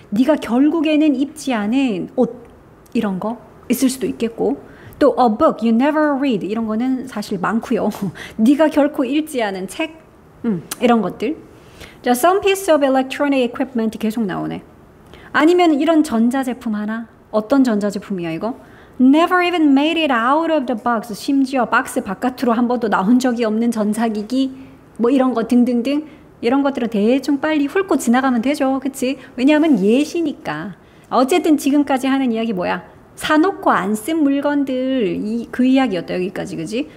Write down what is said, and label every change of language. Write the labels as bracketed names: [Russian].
[Korean] 네가 결국에는 입지 않은 옷. 이런 거 있을 수도 있겠고. 또, [English] a book you never read. [Korean] 이런 거는 사실 많고요. 네가 결코 읽지 않은 책. 이런 것들. [English] Some piece of electronic equipment [Korean] 계속 나오네. 아니면 이런 전자제품 하나. 어떤 전자제품이야, 이거? [English] Never even made it out of the box. [Korean] 심지어 박스 바깥으로 한 번도 나온 적이 없는 전자기기. 뭐 이런 거 등등등. 이런 것들은 대충 빨리 훑고 지나가면 되죠. 그치? 왜냐하면 예시니까. 어쨌든 지금까지 하는 이야기 뭐야? 사놓고 안쓴 물건들. 그 이야기였다, 여기까지. 그치?